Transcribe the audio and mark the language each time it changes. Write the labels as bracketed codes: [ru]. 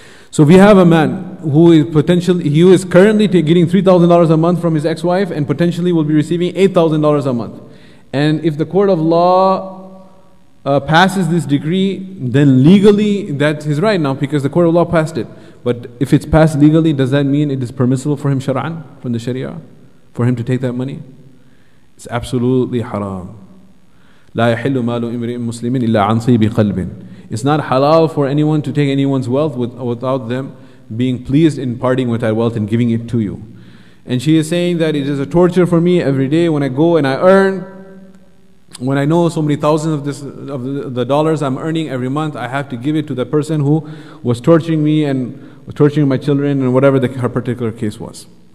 [en] So we have a man who is potentially, he is currently getting $3,000 a month from his ex-wife and potentially will be receiving $8,000 a month. And if the court of law passes this decree, then legally that's his right now because the court of law passed it. But if it's passed legally, does that mean it is permissible for him shara'an, from the sharia, for him to take that money? It's absolutely haram. [ar] لا يحل مال امرئ مسلم الا عن صيب قلب. [en] It's not halal for anyone to take anyone's wealth without them being pleased in parting with that wealth and giving it to you. And she is saying that it is a torture for me every day when I go and I earn, when I know so many thousands of the dollars I'm earning every month, I have to give it to the person who was torturing me and was torturing my children and whatever her particular case was.